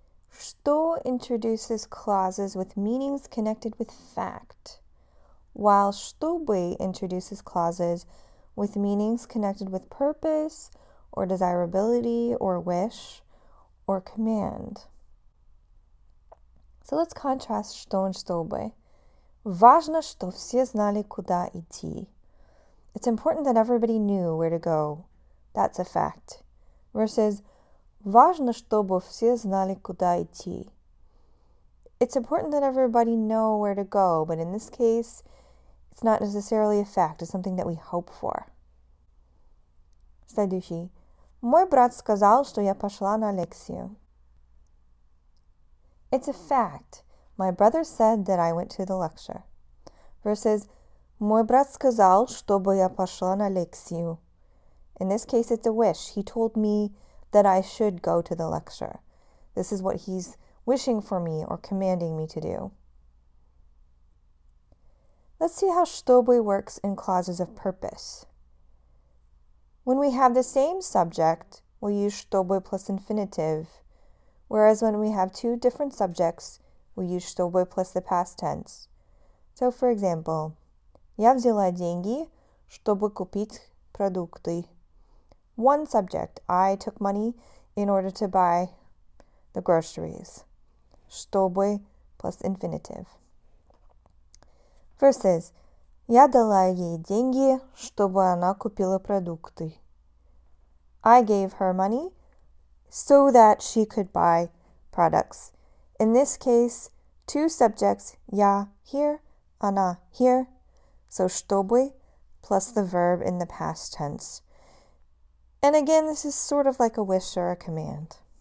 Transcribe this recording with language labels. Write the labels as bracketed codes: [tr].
[en] Что introduces clauses with meanings connected with fact, while чтобы introduces clauses with meanings connected with purpose, or desirability, or wish, or command. So let's contrast что and чтобы. [ru] Важно, что все знали, куда идти. [en] It's important that everybody knew where to go. That's a fact. Versus, [ru] важно, чтобы все знали, куда идти. [en] It's important that everybody know where to go, but in this case, it's not necessarily a fact. It's something that we hope for. [ru] Следующий. Мой брат сказал, что я пошла на лекцию. [en] It's a fact. My brother said that I went to the lecture. Versus, [ru] мой брат сказал, чтобы я пошла на лекцию. [en] In this case, it's a wish. He told me that I should go to the lecture. This is what he's wishing for me or commanding me to do. Let's see how чтобы works in clauses of purpose. When we have the same subject, we'll use чтобы plus infinitive, whereas when we have two different subjects, we use чтобы plus the past tense. So for example, [ru] я взяла деньги, чтобы купить продукты. [en] One subject, I took money in order to buy the groceries. Чтобы plus infinitive. Versus, [ru] я дала ей деньги, чтобы она купила продукты. [en] I gave her money so that she could buy products. In this case, two subjects, я here, она here. So, чтобы plus the verb in the past tense. And again, this is sort of like a wish or a command.